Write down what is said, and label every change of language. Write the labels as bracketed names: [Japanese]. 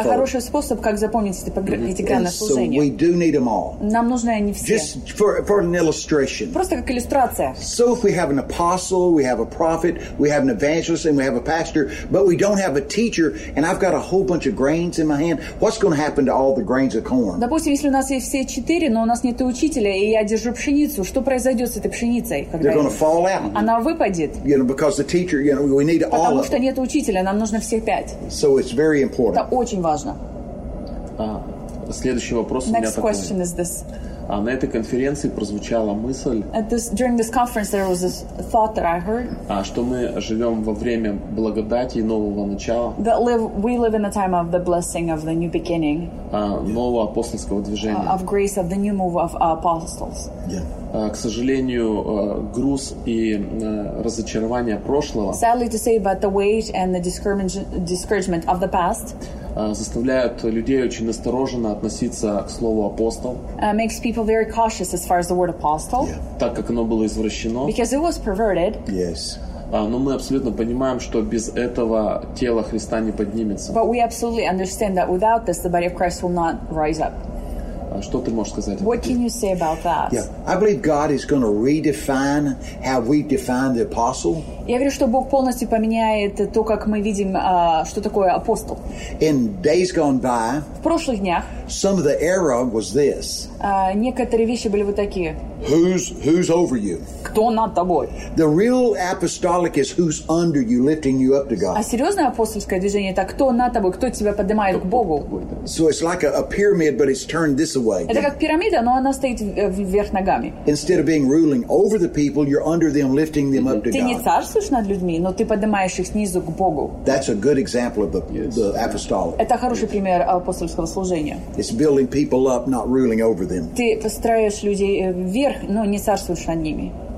[Russian] Это хороший способ, как запомнить эти пятигранные служения. [English] So we do need [Russian] Нам нужны они все. [English] Just for an illustration. [Russian] Просто как иллюстрация. [English] So if we have an apostle, we have a prophet, we have an evangelist, and we have a pastor, but we don't have a teacher, and I've got a whole bunch of grains in my hand, what's going to happen to all the grains of corn? [Russian] Допустим, если у нас есть все четыре, но у нас нет учителя, и я держу пшеницу, что произойдет с этой пшеницей? [English] They're going to fall out. [Russian] Она выпадет. [English] You know, because the teacher, you know, we need [Russian] Потому [English] all of [Russian] Потому что нет учителя, нам нужно всех пять. [English] So it's very important. [Russian] Это очень важно. Следующий вопрос [English] Next [Russian] у меня [English] question [Russian] такой. [English] Is this. [Russian] На этой конференции прозвучала мысль, что мы живем во время благодати и нового начала, нового апостольского движения, [English] of grace, of the new move of apostles. Yeah. [Russian] К сожалению, груз и разочарование прошлого [English] Sadly to say, but the weight and the discouragement of the past [Russian] заставляют людей очень настороженно относиться к слову апостол. [English] Makes people very cautious as far as the word apostle. Yeah. [Russian] Так как оно было извращено. [English] Because it was perverted. Yes. [Russian] Но мы абсолютно понимаем, что без этого тело Христа не поднимется. [English] But we absolutely understand that without this, the body of Christ will not rise up. [Russian] Что ты можешь сказать? [English] What can you say about that? Yeah. I believe God is going to redefine how we define the apostle. [Russian] Я верю, что Бог полностью поменяет то, как мы видим, что такое апостол. [English] In days gone by, [Russian] прошлых днях. [English] Some of the error was this. [Russian] Некоторые вещи были вот такие. [English] Who's over you? [Russian] Кто над тобой? [English] The real apostolic is who's under you, lifting you up to God. [Russian] А серьезное апостольское движение — это кто над тобой, кто тебя поднимает к Богу. [English] So it's like a pyramid, but it's turned this way. [Russian] Это как пирамида, но она стоит вверх ногами. [English] Instead of being ruling over the people, you're under them, lifting them up to God. [Russian] Ты не царствуешь над людьми, но ты поднимаешь их снизу к Богу. [English] That's a good example of the apostolic. [Russian] Это хороший пример апостольского служения. [English] It's building people up, not ruling over them. [Russian] Ты построишь людей вверх, но не царствуешь над ними.